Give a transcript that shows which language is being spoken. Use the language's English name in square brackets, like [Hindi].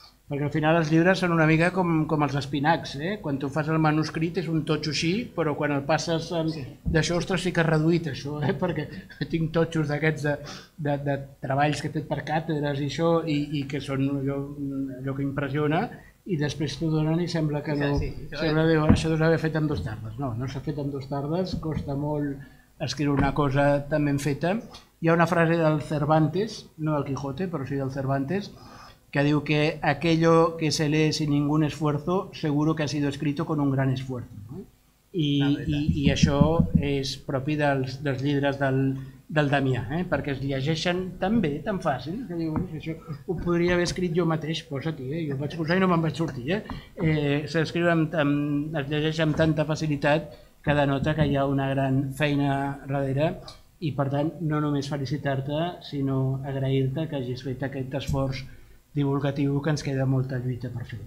[Catalan] Perquè al final els llibres són una mica com els espinacs, quan tu fas el manuscrit és un totxo així, però quan el passes d'això, ostres, sí que ha reduït això, perquè tinc totxos d'aquests de treballs que he fet per càtedres i això, i que són allò que impressiona, i després t'ho donen i sembla que no... Sembla que això t'ho havia fet en dues tardes. No s'ha fet en dues tardes, costa molt escriure una cosa tan ben feta. Hi ha una frase del Cervantes, no del Quijote, però sí del Cervantes, que diu que [Spanish] aquello que se lee sin ningún esfuerzo seguro que ha sido escrito con un gran esfuerzo. [Catalan] I això és propi dels llibres del Damià, perquè es llegeixen tan bé, tan fàcil, que diu, això ho podria haver escrit jo mateix, posa aquí, jo vaig posar i no me'n vaig sortir. Es llegeix amb tanta facilitat que denota que hi ha una gran feina darrere, i per tant no només felicitar-te, sinó agrair-te que hagis fet aquest esforç divulgatiu, que ens queda molta lluita per fer.